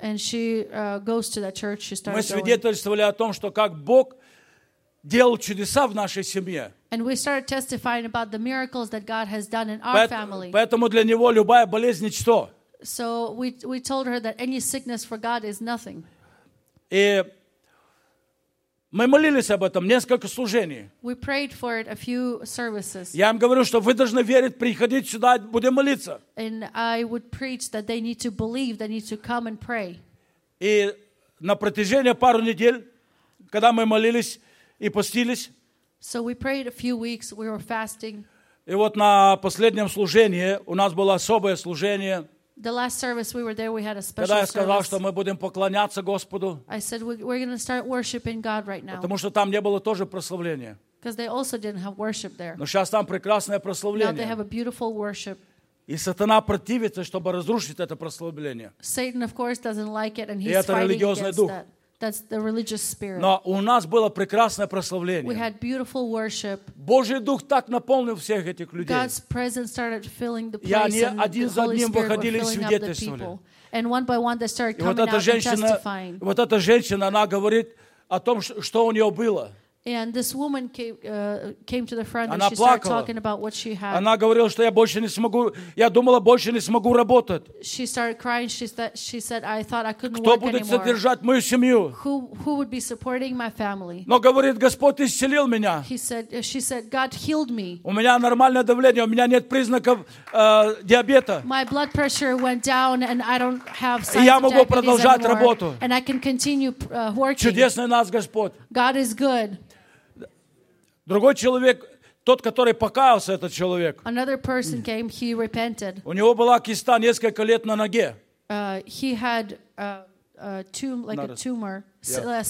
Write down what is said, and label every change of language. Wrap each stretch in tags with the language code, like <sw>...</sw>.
<en>And she goes to that church, she started</en> <ru>Мы свидетельствовали о том, что как Бог делал чудеса в нашей семье.</ru> <en>And we started testifying about the miracles that God has done in our family.</en> <ru>Поэтому для него любая болезнь ничто.</ru> <en>So we told her that any sickness for God is nothing.</en> <ru>И мы молились об этом несколько служений.</ru> <en>We prayed for it a few services.</en> <ru>Я им говорю, что вы должны верить, приходить сюда, будем молиться.</ru> <en>And I would preach that they need to believe, they need to come and pray.</en> <ru>И на протяжении пару недель, когда мы молились и постились.</ru> <en>So we prayed a few weeks, we were fasting.</en> <ru>И вот на последнем служении у нас было особое служение.</ru> <en>The last service we were there, we had a special service.</en> <ru>Когда я сказал,</ru> <en>service,</en> <ru>что мы будем поклоняться Господу.</ru> <en>I said we're going to start worshiping God right now.</en> <ru>Потому что там не было тоже прославления.</ru> <en>Because they also didn't have worship there.</en> <ru>Но сейчас там прекрасное прославление.</ru> <en>Now they have a beautiful worship.</en> <ru>И сатана противится, чтобы разрушить это прославление.</ru> <en>Satan of course doesn't like it and he's fighting against that.</en> <ru>И это религиозный дух.</ru> <en>That's the religious spirit.</en> <ru>Но у нас было прекрасное прославление.</ru> <en>We had beautiful worship.</en> <ru>Божий дух так наполнил всех этих людей.</ru> <en>God's presence started filling the place.</en> <ru>И они один за одним выходили и свидетельствовали.</ru> <en>And one by one they started coming and testifying.</en> <ru>Вот эта женщина, она говорит о том, что у нее было.</ru> <en>And this woman came to the front</en> <ru>она</ru> <en>and she</en> <ru>плакала.</ru> <en>Started talking about what she had.</en> <ru>Она говорила, что я больше не смогу. Я думала, больше не смогу работать.</ru> <en>She started crying. She said, I thought I couldn't</en> <ru>Кто</ru> <en>work</en> <ru>будет</ru> <en>anymore.</en> <ru>Содержать мою семью?</ru> <en>Who would be supporting my family?</en> <ru>Но говорит, Господь исцелил меня.</ru> <en>She said, God healed me.</en> <ru>У меня нормальное давление. У меня нет признаков диабета.</ru> <en>My blood pressure went down and I don't have signs</en> <ru>И я могу продолжать работу.</ru> <en>And I can continue working.</en> <ru>Чудесный нас Господь.</ru> <en>God is good.</en> <ru>Другой человек, тот, который покаялся, этот человек.</ru> <en>Another person came, he repented.</en> <ru>У него была киста несколько лет на ноге.</ru> <en>He had a tumor, yeah.</en>